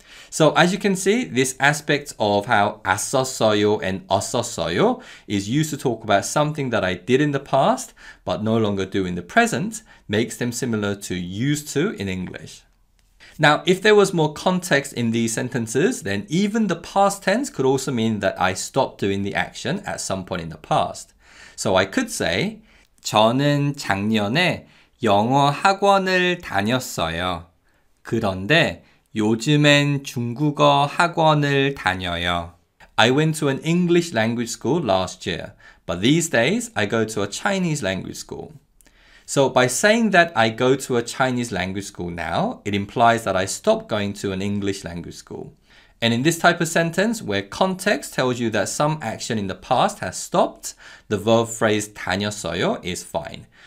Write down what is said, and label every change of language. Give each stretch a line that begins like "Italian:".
English: So as you can see, this aspect of how 았었어요 and 었었어요 is used to talk about something that I did in the past, but no longer do in the present, makes them similar to used to in English. Now, if there was more context in these sentences, then even the past tense could also mean that I stopped doing the action at some point in the past. So I could say,
Korean: 저는 작년에 영어 학원을 다녔어요. 그런데 요즘엔 중국어 학원을 다녀요.
English: I went to an English language school last year, but these days I go to a Chinese language school. So by saying that I go to a Chinese language school now, it implies that I stopped going to an English language school. And in this type of sentence, where context tells you that some action in the past has stopped, the verb phrase 다녔어요 is fine.